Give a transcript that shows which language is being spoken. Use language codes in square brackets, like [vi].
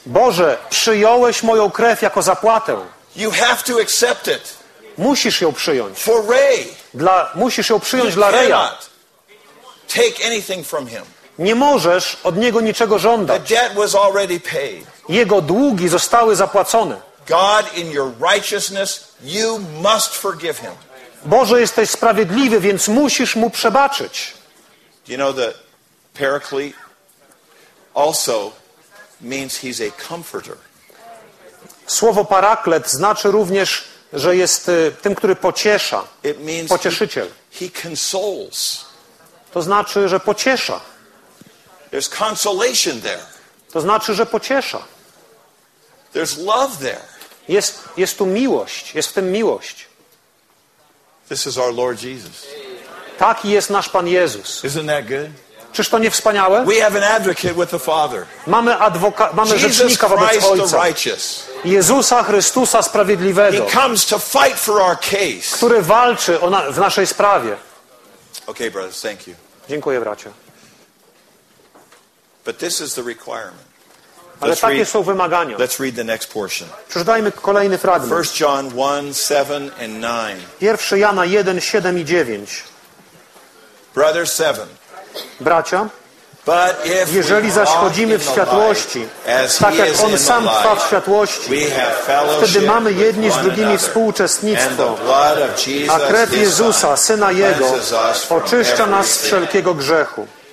[pl] Boże, przyjąłeś moją krew jako zapłatę. [en] You have to accept it. [pl] Musisz ją przyjąć. [en] For Ray. [pl] Musisz ją przyjąć dla Raya. [en] Take anything from him. [pl] Nie możesz od niego niczego żądać. [en] The debt was already paid. [pl] Jego długi zostały zapłacone. [en] God, in your righteousness, you must forgive him. [pl] Boże, jesteś sprawiedliwy, więc musisz mu przebaczyć. [en] Do you know that paraclete also means he's a comforter. [pl] Słowo paraklet znaczy również, że jest tym, który pociesza. [en] It means pocieszyciel. He consoles. [pl] To znaczy, że pociesza. [en] There's consolation there. [pl] To znaczy, że pociesza. [en] There's love there. [pl] Jest tu miłość, jest w tym miłość. [en] This is our Lord Jesus. [pl] Taki jest nasz Pan Jezus. [en] Isn't that good? [pl] Czyż to nie wspaniałe? [en] We have an advocate with the Father. [pl] Mamy rzecznika wobec Ojca. Jezusa Chrystusa Sprawiedliwego. [en] He comes to fight for our case. [pl] Który walczy w naszej sprawie. [en] Okay, brothers, thank you. [pl] Dziękuję, bracie. [en] But this is the requirement. [pl] Ale takie są wymagania. [en] Let's read the next portion. [pl] Przeczytajmy kolejny fragment. [en] 1 John 1, 7 and 9. [pl] 1 Jana 1, 7 i 9. [en] Brother 7. [pl] Bracia, jeżeli zaś chodzimy w światłości, tak jak On sam trwa w światłości, wtedy mamy jedni z drugimi współuczestnictwo, a krew Jezusa, Syna Jego, oczyszcza nas z wszelkiego grzechu.